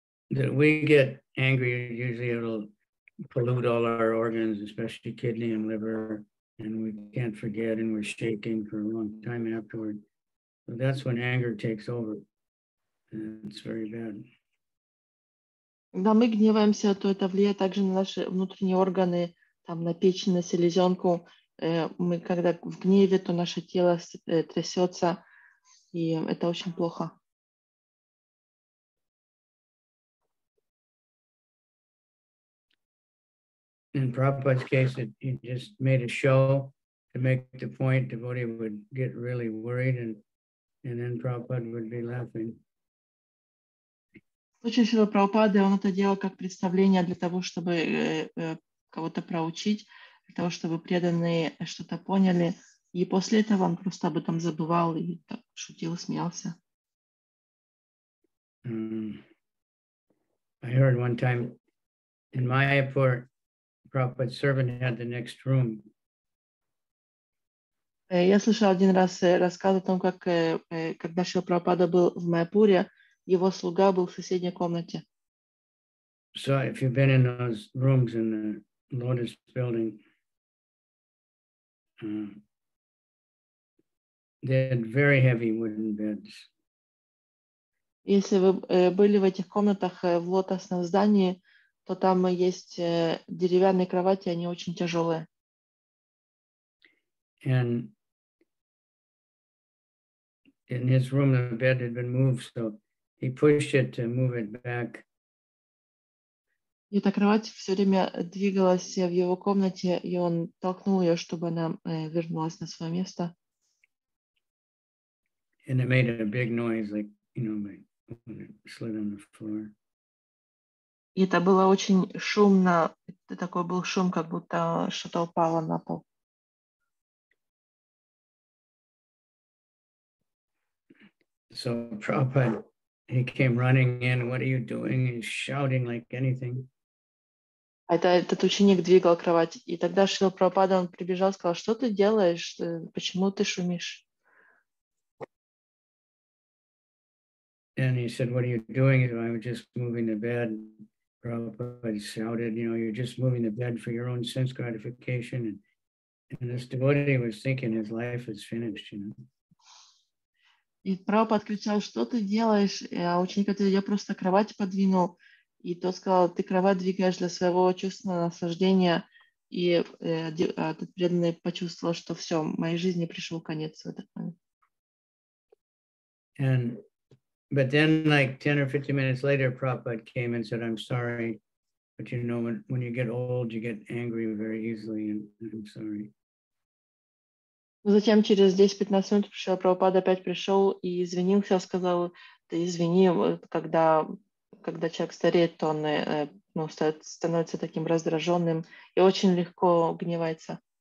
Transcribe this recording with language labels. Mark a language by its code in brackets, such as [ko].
[en] We get angry, usually it'll pollute all our organs, especially kidney and liver, and we can't forget, and we're shaking for a long time afterward. So that's when anger takes over, and it's very bad. [ru] Когда мы гневаемся, то это влияет также на наши внутренние органы, там на печень, на селезенку. Мы когда в гневе, то наше тело трясется, и это очень плохо. [en] In Prabhupada's case, he just made a show to make the point. Devotee would get really worried, and then Prabhupada would be laughing. [ru] В случае Шрилы Прабхупады он это делал как представление для того, чтобы кого-то проучить, для того, чтобы преданные что-то поняли. И после этого он просто об этом забывал и так шутил, смеялся. [en] I heard one time in Mayapur, Prabhupada's servant had the next room. [ru] Я слышал один раз рассказ о том, как когда Шрила Прабхупада был в Майяпуре, его слуга был в соседней комнате. [en] So if you've been in those rooms in the Lotus building, they had very heavy wooden beds. [ru] Если вы были в этих комнатах в лотосном здании, то там есть деревянные кровати, они очень тяжелые. [en] And in his room the bed had been moved, so he pushed it to move it back. [ru] И эта кровать все время двигалась в его комнате, и он толкнул ее, чтобы она вернулась на свое место. [en] And it made a big noise, like, you know, when it slid on the floor. [ru] И это было очень шумно. Это такой был шум, как будто что-то упало на пол. [en] So Prabhupada, he came running in. What are you doing? He's shouting like anything. [ru] Этот ученик двигал кровать, и тогда Шрила Прабхупада, он прибежал, сказал, что ты делаешь, почему ты шумишь? [en] And he said, what are you doing? I was just moving the bed. Prabhupada shouted, you know, you're just moving the bed for your own sense gratification. And this devotee was thinking his life is finished, you know. [ru] И Прабхупада кричал, что ты делаешь? А ученик ответил, я просто кровать подвинул. И тот сказал, ты кровать двигаешь для своего чувственного наслаждения. И этот преданный почувствовал, что все, в моей жизни пришел конец в этот момент. [en] And, but then like 10 or 15 minutes later, Prabhupada came and said, I'm sorry, but you know, when you get old, you get angry very easily, and I'm sorry. [ru] Затем через 10-15 минут пришел Прабхупада, опять пришел и извинился, сказал, ты извини, когда человек стареет, то он становится таким раздраженным и очень легко гневается.